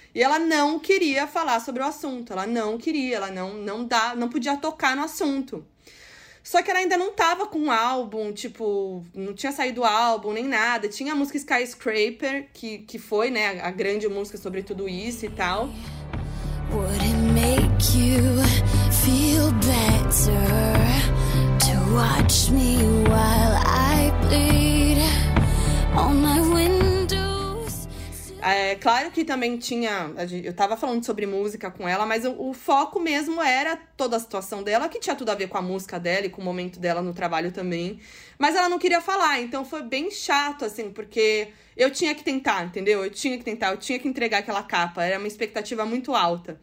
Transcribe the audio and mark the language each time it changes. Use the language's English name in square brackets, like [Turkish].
[Portuguese] E ela não queria falar sobre o assunto. Ela não queria. Ela não podia tocar no assunto. Só que ela ainda não tava com o álbum, tipo... Não tinha saído o álbum, nem nada. Tinha a música Skyscraper, que foi, né? A grande música sobre tudo isso e tal. [English] Would it make you feel better? Watch me while I bleed on my windows. [Portuguese] É claro que também tinha. Eu tava falando sobre música com ela, mas o foco mesmo era toda a situação dela, que tinha tudo a ver com a música dela e com o momento dela no trabalho também. Mas ela não queria falar, então foi bem chato, assim, porque eu tinha que tentar, entendeu? Eu tinha que entregar aquela capa, era uma expectativa muito alta.